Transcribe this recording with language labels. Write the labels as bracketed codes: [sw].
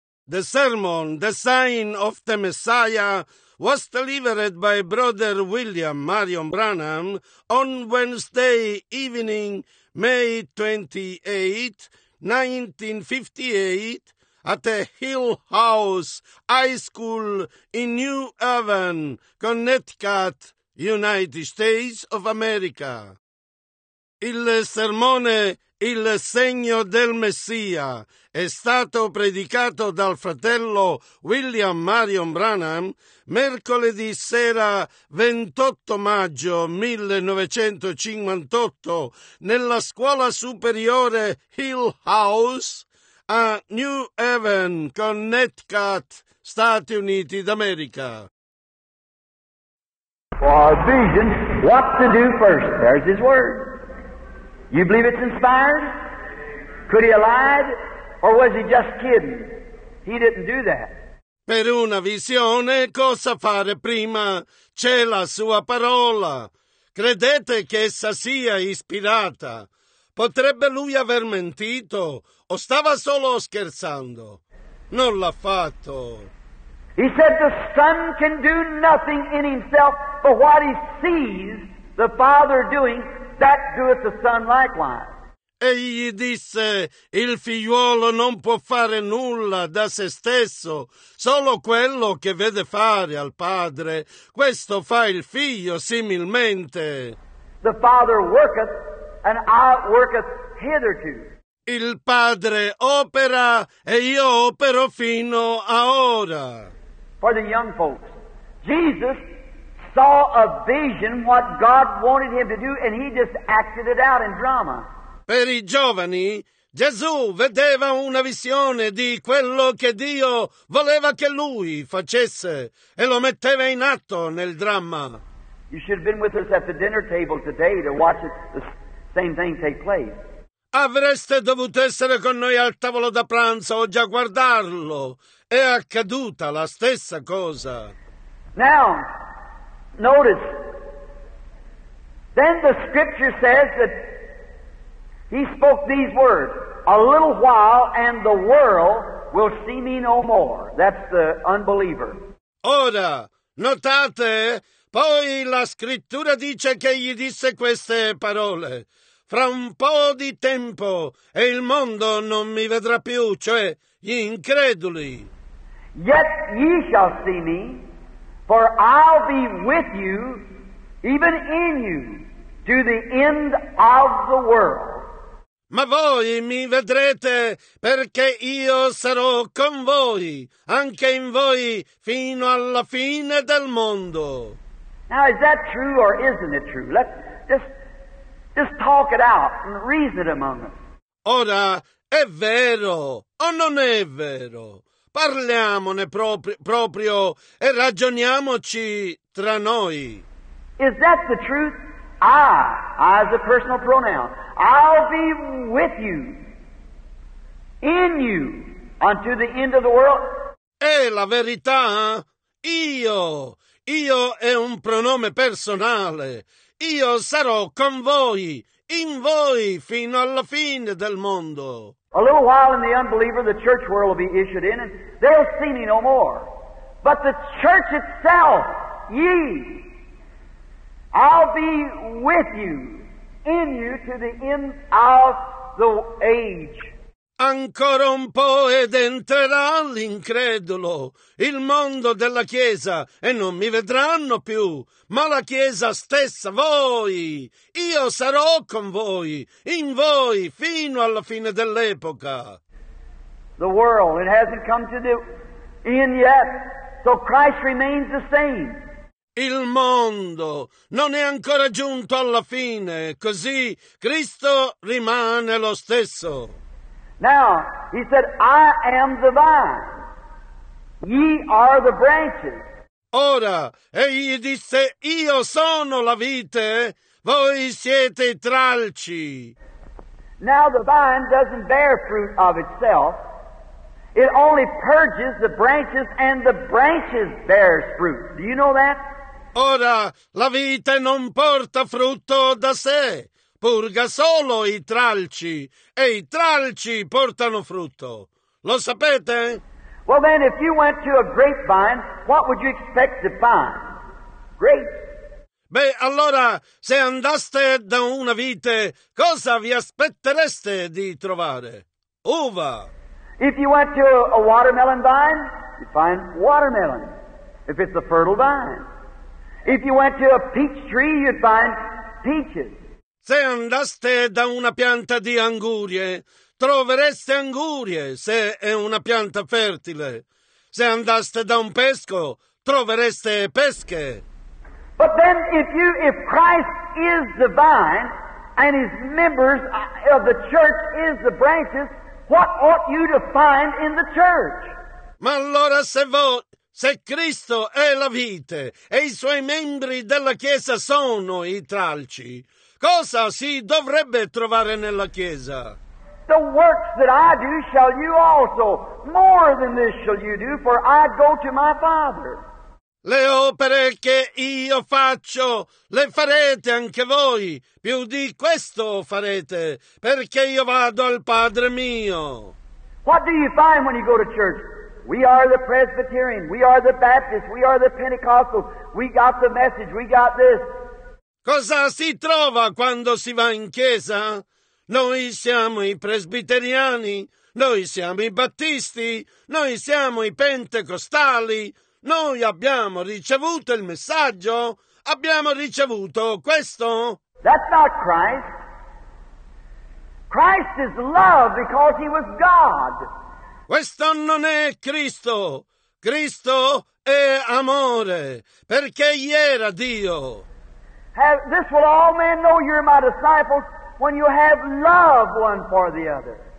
[en] The sermon, the sign of the Messiah, was delivered by Brother William Marion Branham on Wednesday evening, May 28, 1958, at the Hill House High School in New Haven, Connecticut, United States of America. [it] Il sermone Il segno del Messia è stato predicato dal fratello William Marion Branham mercoledì sera 28 maggio 1958 nella scuola superiore Hill House a New Haven, Connecticut, Stati Uniti d'America. [en] For vision, what to do first? There's his word. You believe it's inspired? Could he have lied? Or was he just kidding? He didn't do that. [it] Per una visione, cosa fare prima? C'è la sua parola. Credete che essa sia ispirata? Potrebbe lui aver mentito? O stava solo scherzando? Non l'ha fatto. [en] He said the son can do nothing in himself but what he sees the father doing. That doeth the son likewise. [it] Egli disse, il figliuolo non può fare nulla da se stesso, solo quello che vede fare al padre. Questo fa il figlio similmente. [en] The father worketh and I worketh hitherto. [it] Il padre opera e io opero fino a ora. [en] For the young folks, Jesus saw a vision what God wanted him to do and he just acted it out in drama. [it] Per i giovani, Gesù vedeva una visione di quello che Dio voleva che lui facesse e lo metteva in atto nel dramma. [en] You should have been with us at the dinner table today to watch the same thing take place. [it] Avreste dovuto essere con noi al tavolo da pranzo oggi a guardarlo. È accaduta la stessa cosa. [en] Now, notice, then the scripture says that he spoke these words, a little while and the world will see me no more. That's the unbeliever. [it] Ora, notate, poi la scrittura dice che gli disse queste parole. Fra un po' di tempo e il mondo non mi vedrà più, cioè gli increduli. [en] Yet ye shall see me. For I'll be with you, even in you, to the end of the world. [it] Ma voi mi vedrete, perché io sarò con voi, anche in voi, fino alla fine del mondo. [en] Now, is that true or isn't it true? Let's just talk it out and reason it among us. [it] Ora, è vero o non è vero? Parliamone proprio e ragioniamoci tra noi. [en] Is that the truth? I as a personal pronoun. I'll be with you, in you, unto the end of the world. [it] È la verità? Io è un pronome personale. Io sarò con voi, in voi, fino alla fine del mondo. [en] A little while in the unbeliever, the church world will be issued in, and they'll see me no more. But the church itself, ye, I'll be with you, in you, to the end of the age. [it] Ancora un po' ed entrerà l'incredulo, il mondo della Chiesa, e non mi vedranno più, ma la Chiesa stessa, voi, io sarò con voi, in voi, fino alla fine dell'epoca. [en] The world, it hasn't come to the end yet, so Christ remains the same. [it] Il mondo non è ancora giunto alla fine, così Cristo rimane lo stesso. [en] Now, he said, I am the vine, ye are the branches. [it] Ora, egli disse, io sono la vite, voi siete i tralci. [en] Now the vine doesn't bear fruit of itself. It only purges the branches and the branches bears fruit. Do you know that? [it] Ora, la vite non porta frutto da sé. Purga solo i tralci, e i tralci portano frutto. Lo sapete? [en] Well, then, if you went to a grapevine, what would you expect to find? Grapes. [it] Beh, allora, se andaste da una vite, cosa vi aspettereste di trovare? Uva. [en] If you went to a watermelon vine, you'd find watermelon, if it's a fertile vine. If you went to a peach tree, you'd find peaches. [it] Se andaste da una pianta di angurie, trovereste angurie, se è una pianta fertile. Se andaste da un pesco, trovereste pesche. [en] But then if Christ is the vine and his members of the church is the branches, what ought you to find in the church? [it] Ma allora se Cristo è la vite e i suoi membri della chiesa sono i tralci, cosa si dovrebbe trovare nella chiesa? [en] The works that I do shall you also, more than this shall you do, for I go to my Father. [it] Le opere che io faccio le farete anche voi, più di questo farete, perché io vado al Padre mio. [en] What do you find when you go to church? We are the Presbyterian, we are the Baptist, we are the Pentecostal, we got the message, we got this. [it] Cosa si trova quando si va in chiesa? Noi siamo i presbiteriani, noi siamo i battisti, noi siamo i pentecostali, noi abbiamo ricevuto il messaggio, abbiamo ricevuto questo. [en] That's not Christ. Christ is love because he was God. [it] Questo non è Cristo. Cristo è amore perché egli era Dio. [en] This will all men know you're my disciples when you have love one for the other.